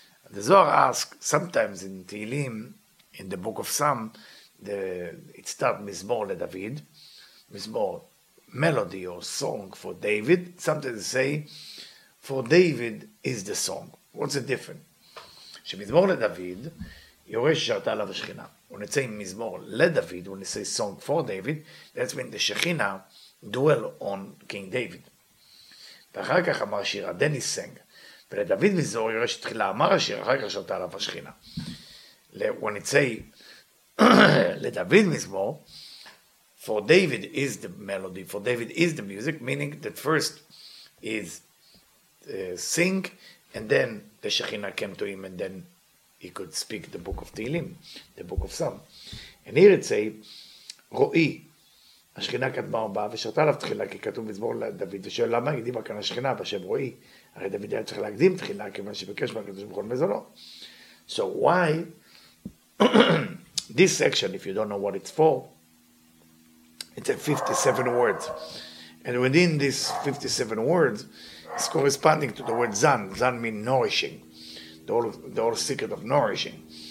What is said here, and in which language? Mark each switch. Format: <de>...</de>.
<en>The Zohar asks, sometimes in Tehillim, in the Book of Psalms, it starts</en> <he>mizmor le David,</he> <en>mizmor, melody or song for David. Sometimes they say, for David is the song. What's the difference?</en> <he>Shemizmor le David, yoresh shata alav shechina.</he> <en>When it says mizmor le David, when it says song for David, that's when the Shechina dwell on King David.</en> <he>ואחר כך אמר שירה,</he> <en>then he sang.</en> <he>ולדוד מזור יורש תחילה אמר השיר, אחר כך שותה עליו השכינה.</he> <en>When it say,</en> <he>לדוד מזמור,</he> <en>for David is the melody, for David is the music, meaning that first is sing, and then the Shechina came to him, and then he could speak the book of Tehillim, the book of Psalm. And here it say,</en> <he>רואי, השכינה קדמה ובאה ושרתה עליו תחילה, כי כתוב מזמור לדוד, ושואל למה הקדימה כאן השכינה בשם רואי? הרי דוד היה צריך להקדים תחילה, כיוון שביקש מהקדוש ברוך הוא מזונו.</he> <en>So why this section, if you don't know what it's for, it's a 57 words. And within these 57 words, it's corresponding to the word zan. Zan means nourishing. The whole secret of nourishing.</en>